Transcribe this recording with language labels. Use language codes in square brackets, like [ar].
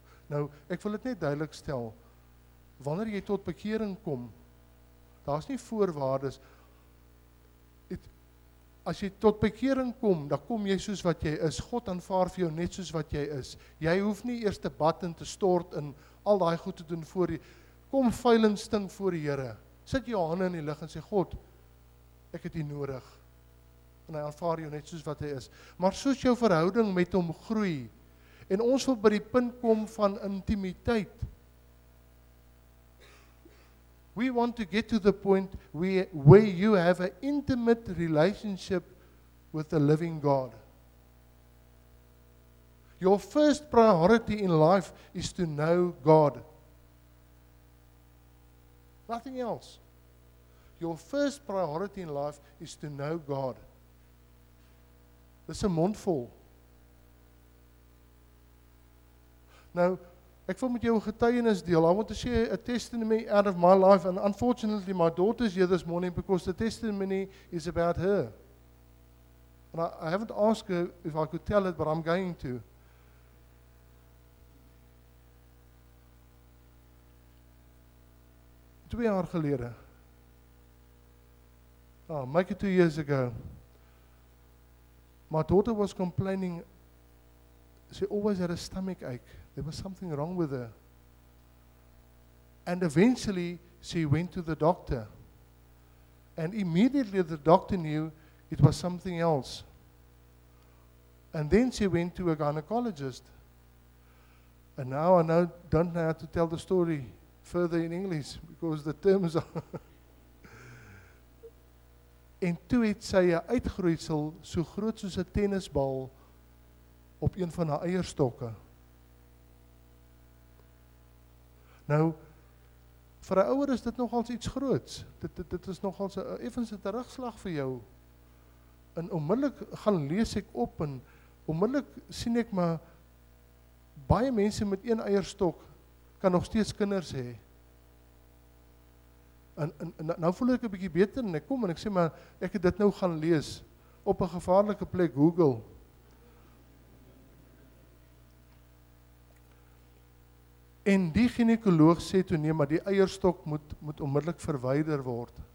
[af] Nou, ek wil dit net duidelik stel, wanneer jy tot bekering kom, daar's nie voorwaardes. As jy tot bekering kom, dan kom jy soos wat jy is. God aanvaar vir jou net soos wat jy is. Jy hoef nie eers te bad en te stort en al daai goed te doen voor die. Kom vuil en stink voor die Here. Sit jou hande in die lig en sê, God, ek het U nodig. En hy aanvaar jou net soos wat hy is. Maar soos jou verhouding met hom groei, en ons wil by die punt kom van intimiteit. [en] We want to get to the point where you have an intimate relationship with the living God. Your first priority in life is to know God. Nothing else. Your first priority in life is to know God. [af] Dis 'n mond vol. Nou, ek wil met jou 'n getuienis deel. [en] I want to share a testimony out of my life. And unfortunately, my daughter's here this morning because the testimony is about her. And I haven't asked her if I could tell it, but I'm going to. [af] Twee jaar gelede. [en] Oh, make it 2 years ago. My daughter was complaining. She always had a stomach ache. There was something wrong with her. And eventually, she went to the doctor. And immediately, the doctor knew it was something else. And then she went to a gynecologist. And now I know, don't know how to tell the story further in English, because the terms are... [af] En toe het sy 'n uitgroeisel so groot soos 'n tennisbal op een van haar eierstokke. Nou, vir 'n ouer is dit nogals iets groots. Dit is nogals 'n effense terugslag vir jou. En onmiddellik gaan lees ek op en onmiddellik sien ek maar baie mense met een eierstok kan nog steeds kinders hê. En nou voel ek 'n bietjie beter en ek kom en ek sê maar ek het dit nou gaan lees op 'n gevaarlike plek Google. En die ginekoloog sê toe nee, maar die eierstok moet onmiddellik verwyder word.